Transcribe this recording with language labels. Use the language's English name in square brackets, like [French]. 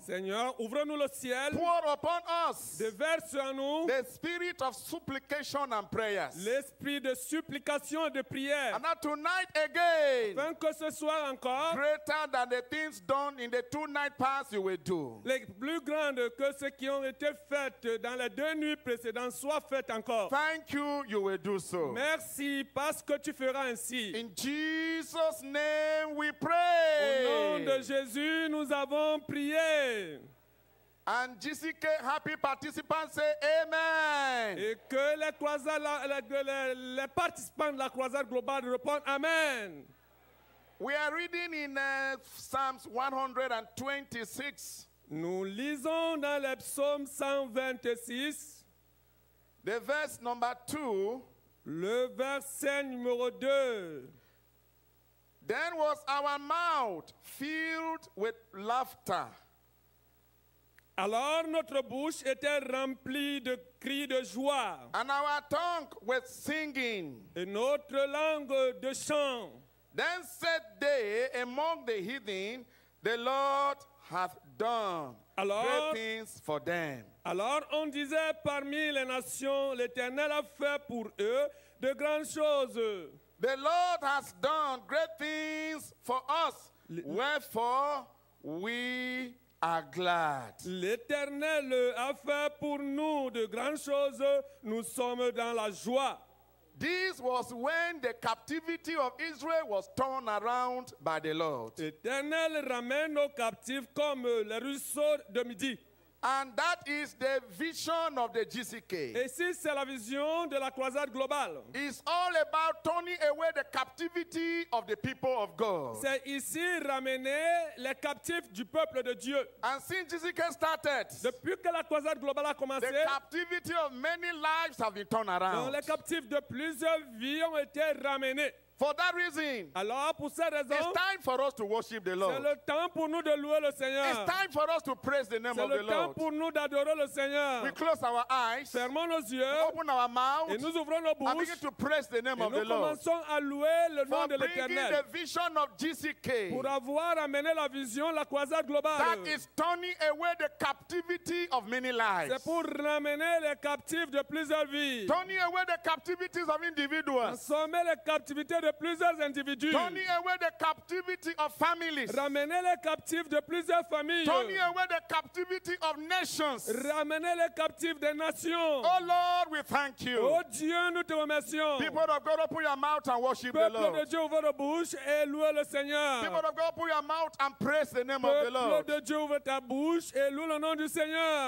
[French] Seigneur, ouvre-nous le ciel. [English] Pour upon us. [French] Déverse en nous. [English] The spirit of supplication and prayers. [French] L'esprit de supplication et de prière. [English] And now tonight again. [French] Afin que ce soit encore [English] greater than the things done in the two night past you will do. [French] Les plus grandes que ceux qui ont été faites dans les deux nuits précédentes soient faites encore. [English] Thank you, you will do so. [French] Merci parce que tu feras ainsi. [English] In Jesus' name we pray. [French] Au nom de Jésus, nous avons prié. [English] And GCK happy participants say Amen. [French] Et que les croisades, les participants de la croisade globale répondent Amen. [English] We are reading in Psalms 126. [French] Nous lisons dans le psaume 126. [English] The verse number 2. [French] Le verset numéro 2. [English] Then was our mouth filled with laughter. [French] Alors notre bouche était remplie de cris de joie. [English] And our tongue was singing. [French] Et notre langue de chant. [English] Then said they among the heathen, the Lord hath done [French] alors, [English] great things for them. [French] Alors on disait parmi les nations, l'Éternel a fait pour eux de grandes choses. [English] The Lord has done great things for us, wherefore we are glad. [French] L'Éternel a fait pour nous de grandes choses, nous sommes dans la joie. [English] This was when the captivity of Israel was turned around by the Lord. [French] Éternel ramène nos captifs comme les ruisseaux de midi. [English] And that is the vision of the GCK. [French] Ici, c'est la vision de la croisade globale. [English] It's all about turning away the captivity of the people of God. [French] C'est ici ramener les captifs du peuple de Dieu. [English] And since GCK started, [French] depuis que la croisade globale a commencé, [English] the captivity of many lives have been turned around. [French] Les captifs de plusieurs vies ont été ramenés. [English] For that reason, [French] alors pour cette raison, [English] it's time for us to worship the Lord. [French] C'est le temps pour nous de louer le Seigneur. [English] It's time for us to praise the name [French] c'est [English] of the Lord. [French] C'est le temps pour nous d'adorer le Seigneur. [English] We close our eyes, [French] fermons nos yeux, [English] open our mouth, [French] et nous ouvrons nos bouches, [English] and begin to praise the name [French] et [English] of the Lord. [French] Nous commençons à louer le nom de l'Éternel. [English] For bringing the vision of GCK, [French] pour avoir amené la vision, la croisade globale. [English] That is turning away the captivity of many lives. [French] C'est pour ramener les captifs de plusieurs vies. [English] Turning away the captivities of individuals. [French] Transformer les captivités de plusieurs individus. [English] Turning away the captivity of families. [French] Ramener les captifs de plusieurs familles. [English] Turning away the captivity of nations. [French] Ramener les captifs des nations. [English] Oh Lord, we thank you. [French] Oh Dieu, nous te remercions. [English] People of God, open your mouth and worship the Lord. [French] Peuple de Dieu, ouvre vos bouches et loue le Seigneur. [English] People of God, open your mouth and praise the name of the Lord. [French] Peuple de Dieu, ouvre ta bouche et loue le nom du Seigneur.